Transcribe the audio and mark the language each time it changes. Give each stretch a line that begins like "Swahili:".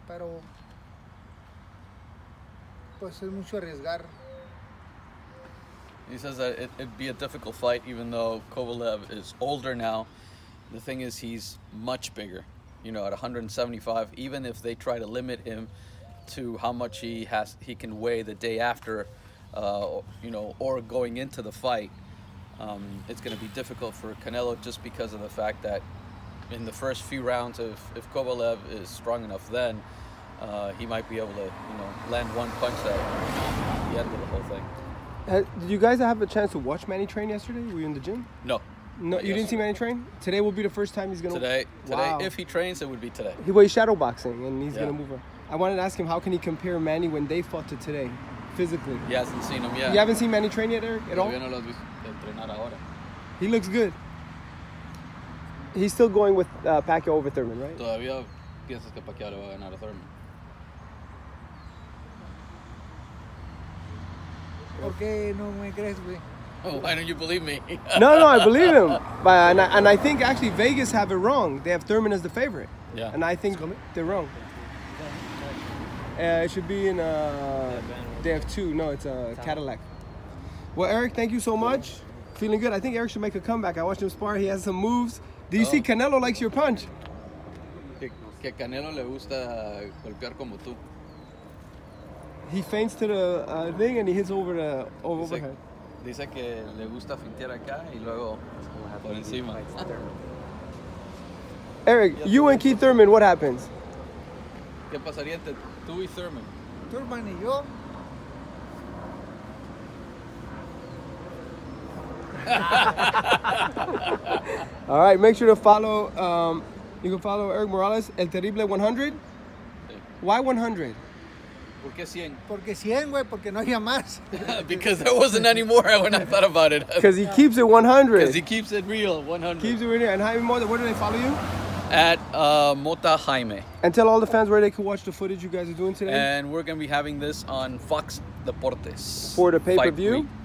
Spanish: Pero pues es mucho arriesgar.
English: He says that it'd be a difficult fight even though Kovalev is older now. The thing is, he's much bigger, you know, at 175. Even if they try to limit him to how much he can weigh the day after, you know, or going into the fight, it's going to be difficult for Canelo just because of the fact that in the first few rounds, if Kovalev is strong enough, then he might be able to, you know, land one punch at the end of the whole thing. Did you guys have a chance to watch Manny train yesterday? Were you in the gym? No. No, you didn't see Manny train? Today will be the first time he's going to... Today, wow. If he trains, it would be today. Well, he's shadow boxing, and he's going to move up. I wanted to ask him, how can he compare Manny when they fought to today, physically? He hasn't seen him yet. You haven't seen Manny train yet, Eric, at all?
Spanish: No lo has visto entrenar ahora.
English: He looks good. He's still going with Pacquiao over Thurman, right?
Spanish: Todavía piensas que Pacquiao le va a ganar a Thurman. ¿Por qué no me crees, güey?
English: Why don't you believe me? No, I believe him. But I think actually Vegas have it wrong. They have Thurman as the favorite. Yeah. And I think they're wrong. It should be in they have two. No, it's a Cadillac. Well, Eric, thank you so much. Feeling good. I think Eric should make a comeback. I watched him spar. He has some moves. Do you see Canelo likes your punch?
Spanish: Que Canelo le gusta golpear como tú.
English: He feints to the thing and he hits over the overhead.
Spanish: Dice que le gusta fintear acá y luego por encima.
English: Eric, you and Keith Thurman, what happens?
Spanish: ¿Qué pasaría entre tú y Thurman? Thurman y yo.
English: All right, make sure to follow. You can follow Eric Morales, El Terrible 100.
Spanish: Sí.
English: Why 100?
Spanish: ¿Por qué 100? Porque 100, güey, porque no había más.
English: Because there wasn't any more when I thought about it. Because he keeps it 100. Because he keeps it real, 100. Keeps it real. And Jaime Mota, where do they follow you? At Mota Jaime. And tell all the fans where they can watch the footage you guys are doing today. And we're going to be having this on Fox Deportes. For the pay-per-view.